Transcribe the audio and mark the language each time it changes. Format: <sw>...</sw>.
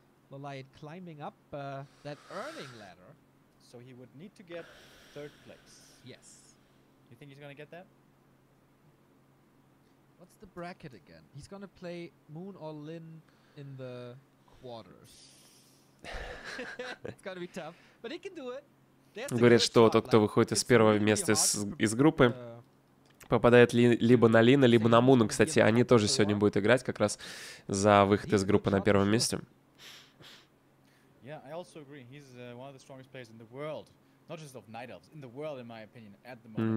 <en>Lolite climbing up that earning ladder, so he would need to get third place. Yes. You think he's gonna get that? What's the bracket again? He's gonna play Moon or Lin in the quarters. It's gonna be tough, but he can do it.</en> <ru>Говорят, что тот, кто выходит из первого места из группы, попадает либо на Лина, либо на Муна. Кстати, они тоже сегодня будут играть как раз за выход из группы на первом месте.</ru> <en>Yeah, I also agree. He's one of the strongest players in the world. Not just of Night Elves, in the world, in my opinion, at the moment.</en>